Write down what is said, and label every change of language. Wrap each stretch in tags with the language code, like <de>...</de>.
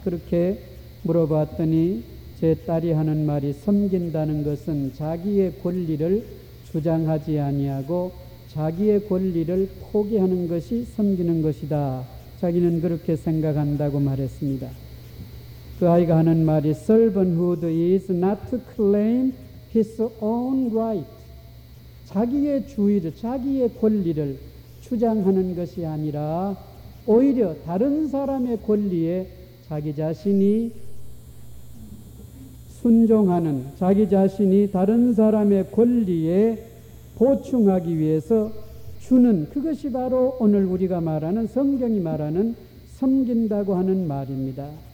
<ko>그렇게 물어봤더니 제 딸이 하는 말이 섬긴다는 것은 자기의 권리를 주장하지 아니하고 자기의 권리를 포기하는 것이 섬기는 것이다. 자기는 그렇게 생각한다고 말했습니다. 그 아이가 하는 말이</ko> <en>Servanthood is not to claim his own right.</en> <ko>자기의 주의를, 자기의 권리를 주장하는 것이 아니라 오히려 다른 사람의 권리에 자기 자신이 순종하는, 자기 자신이 다른 사람의 권리에 보충하기 위해서 주는, 그것이 바로 오늘 우리가 말하는, 성경이 말하는 섬긴다고 하는 말입니다.</ko>